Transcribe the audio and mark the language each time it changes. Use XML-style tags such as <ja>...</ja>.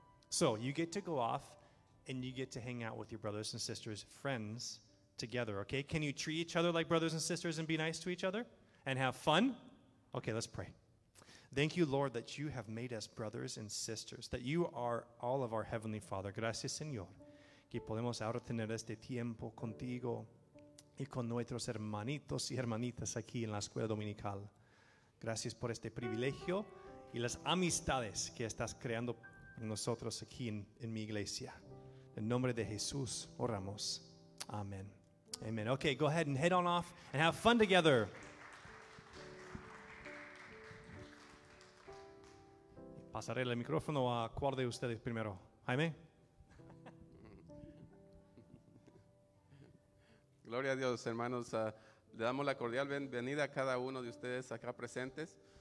<en>So you get to go off and you get to hang out with your brothers and sisters, friends, together, okay? Can you treat each other like brothers and sisters and be nice to each other and have fun? Okay, let's pray. Thank you, Lord, that you have made us brothers and sisters, that you are all of our Heavenly Father.</en> <es>Gracias, Señor, que podemos ahora tener este tiempo contigo y con nuestros hermanitos y hermanitas aquí en la Escuela Dominical. Gracias por este privilegio y las amistades que estás creando nosotros aquí en mi iglesia. En nombre de Jesús, oramos. Amén. Amén.</es> <en>Okay, go ahead and head on off and have fun together.</en> <es>Pasaré el micrófono a cuál de ustedes primero. Jaime. Gloria a Dios, hermanos. Le damos la cordial bienvenida a cada uno de ustedes acá presentes.</es>